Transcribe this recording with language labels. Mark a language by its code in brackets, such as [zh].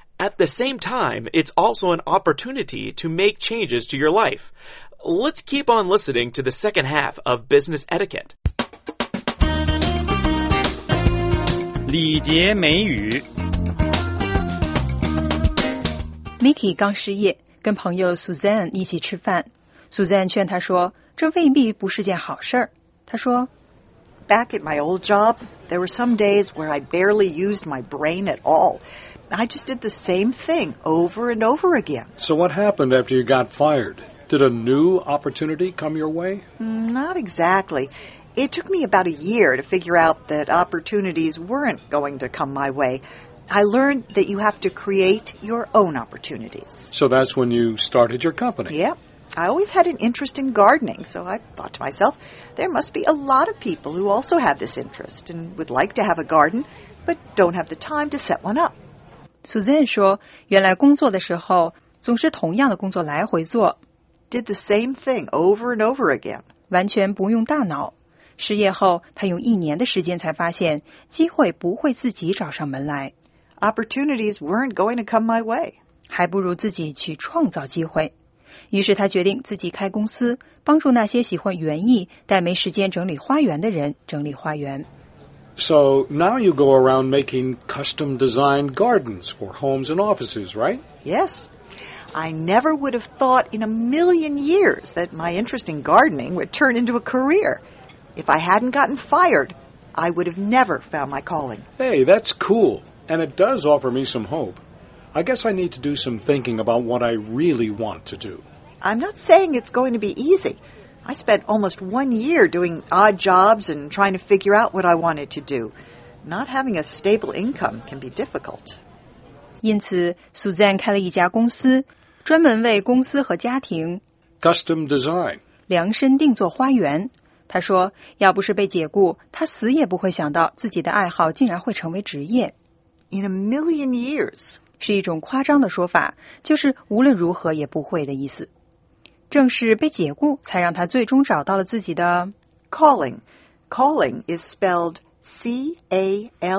[en] At the same time, it's also an opportunity to make changes to your life. Let's keep on listening to the second half of Business Etiquette. [zh] 礼节美语。 Miki 刚失业，跟朋友 Suzanne 一起吃饭。 Suzanne 劝他说，这未必不是件好事儿。他说 [en] ，Back at my old job, there were some days where I barely used my brain at all. I just did the same thing over and over again. So what happened after you got fired? Did a new opportunity come your way? Not exactly. It took me about a year to figure out that opportunities weren't going to come my way. I learned that you have to create your own opportunities. So that's when you started your company? Yep. I always had an interest in gardening, so I thought to myself, there must be a lot of people who also have this interest and would like to have a garden, but don't have the time to set one up. [zh] Suzanne 说，原来工作的时候总是同样的工作来回做。 [en] Did the same thing over and over again. [zh] 完全不用大脑。失业后，他用一年的时间才发现，机会不会自己找上门来。 [en] Opportunities weren't going to come my way. [zh] 还不如自己去创造机会。于是他决定自己开公司，帮助那些喜欢园艺但没时间整理花园的人整理花园。 [en] So now you go around making custom designed gardens for homes and offices, right? Yes. I never would have thought in a million years that my interest in gardening would turn into a career. If I hadn't gotten fired, I would have never found my calling. Hey, that's cool. And it does offer me some hope. I guess I need to do some thinking about what I really want to do. I'm not saying it's going to be easy. I spent almost 1 year doing odd jobs and trying to figure out what I wanted to do. Not having a stable income can be difficult. [zh] 因此 ，Suzanne 开了一家公司，专门为公司和家庭 [en] custom design [zh] 量身定做花园。他说，要不是被解雇，他死也不会想到自己的爱好竟然会成为职业。 [en] In a million years [zh] 是一种夸张的说法，就是无论如何也不会的意思。正是被解雇，才让他最终找到了自己的 [en] calling。 Calling is spelled C-A-L-L-I-N-G.